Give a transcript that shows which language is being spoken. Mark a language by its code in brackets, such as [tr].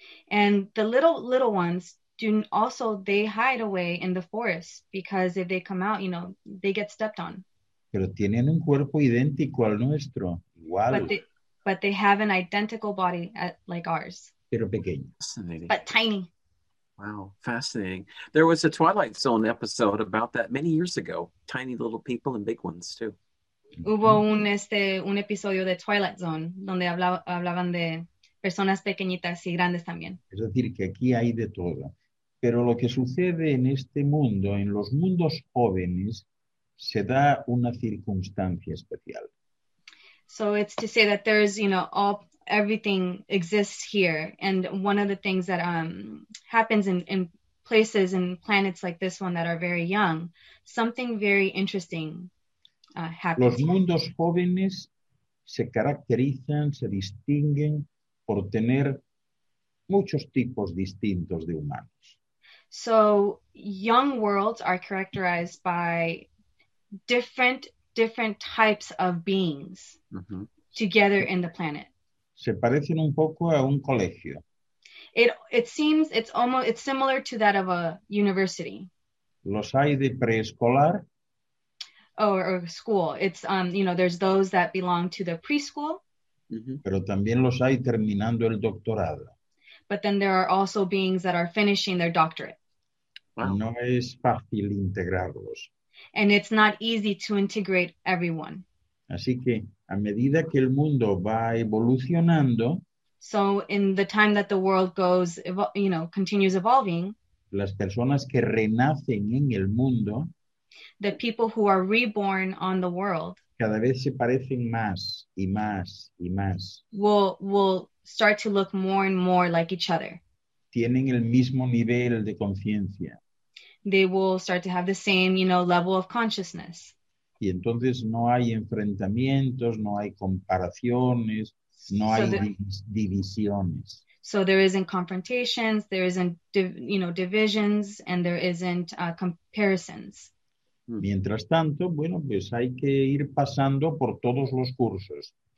[en] And the little ones do also, they hide away in the forest because if they come out, you know, they get stepped on. [es] Pero tienen un cuerpo idéntico al nuestro, igual. [en] But they have an identical body like ours. [es] Pero pequeño. [en] Fascinating. But tiny. Wow, fascinating. There was a Twilight Zone episode about that many years ago. Tiny little people and big ones too. [es] Hubo un episodio de Twilight Zone donde hablaban de personas pequeñitas y grandes también. Es decir, que aquí hay de todo. Pero lo que sucede en este mundo, en los mundos jóvenes, se da una circunstancia especial. [en] So it's to say that there's, you know, everything exists here. And one of the things that happens in places and planets like this one that are very young, something very interesting happens. [es] Los mundos jóvenes se caracterizan, se distinguen por tener muchos tipos distintos de humanos. [en] So young worlds are characterized by different types of beings together in the planet. [es] Se parecen un poco a un colegio. [en] It seems it's similar to that of a university. [es] Los hay de preescolar. [en] Or school. It's you know, there's those that belong to the preschool. [es] Pero también los hay terminando el doctorado. [en] But then there are also beings that are finishing their doctorate. [es] Wow. No es fácil integrarlos. [en] And it's not easy to integrate everyone. [es] Así que a medida que el mundo va evolucionando, [en] so in the time that the world goes, you know, continues evolving, [es] las personas que renacen en el mundo, [en] the people who are reborn on the world, [es] cada vez se parecen más y más y más. [en] Will start to look more and more like each other. [es] Tienen el mismo nivel de conciencia. [en] They will start to have the same, you know, level of consciousness. [es] Y entonces no hay enfrentamientos, no hay comparaciones, no hay divisiones. [en] So there isn't confrontations, there isn't, you know, divisions, and there isn't comparisons. [es] Mientras tanto, bueno, pues hay que ir pasando por todos los cursos.